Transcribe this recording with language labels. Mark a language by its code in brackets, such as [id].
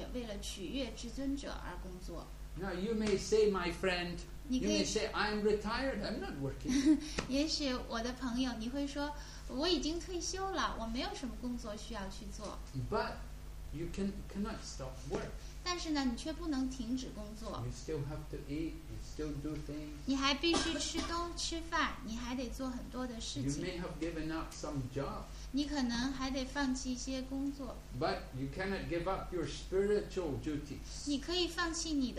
[zh] 我们应当出于一种责任感，出于职责去工作，并且为了取悦至尊者而工作。 [en] Now you may say, my friend, [zh] 你可以, [en] you may say, I'm retired, I'm not working. [zh] 也许我的朋友，你会说。我已经退休了，我没有什么工作需要去做。 [en] But you cannot stop work. [zh] 但是呢，你却不能停止工作。 [en] You still have to eat, you still do things. [zh] 你还必须吃东吃饭，你还得做很多的事情。 [en] You may have given up some job. [zh] 你可能还得放弃一些工作。 [en] But you cannot give up your spiritual duties.